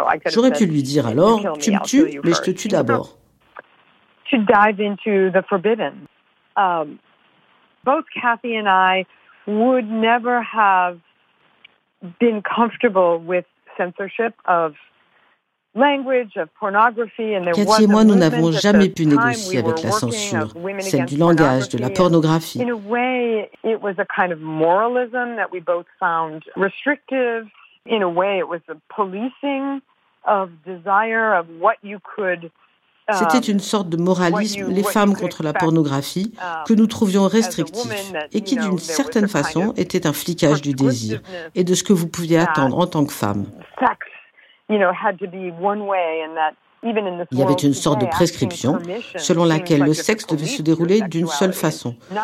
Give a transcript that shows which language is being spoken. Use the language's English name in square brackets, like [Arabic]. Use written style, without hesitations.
[French] J'aurais pu lui dire alors, tu me tues, mais je te tue d'abord. [English] To dive into the forbidden. Both Kathy and I would never have been comfortable with censorship of language, of pornography, and there [French] Kathy et moi, nous n'avons jamais pu négocier avec la censure, celle du langage, de la pornographie. [English] In a way, it was a kind of moralism that we both found restrictive. In a way, it was a policing of desire, of what you could [French] C'était une sorte de moralisme, les femmes contre la pornographie, que nous trouvions restrictif et qui, d'une certaine façon, était un flicage du désir et de ce que vous pouviez attendre en tant que femme. Il y avait une sorte de prescription selon laquelle le sexe devait se dérouler d'une seule façon.